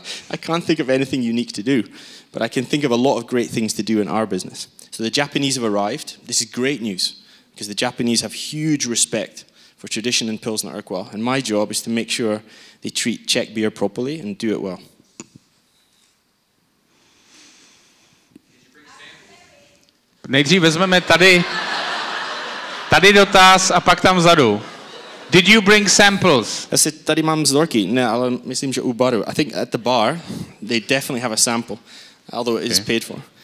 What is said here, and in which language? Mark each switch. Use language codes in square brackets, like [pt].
[en] I can't think of anything unique to do, but I can think of a lot of great things to do in our business. So the Japanese have arrived. This is great news, because the Japanese have huge respect for tradition in Pilsner Urquell, and my job is to make sure they treat Czech beer properly and do it well. [cs] Nejdřív vezmeme tady dotaz a pak tam vzadu. [en] Did you bring samples? [cs] Já si tady mám vzorky, ne, ale myslím, že u baru. [en] I think at the bar, they definitely have a sample, although it is paid for.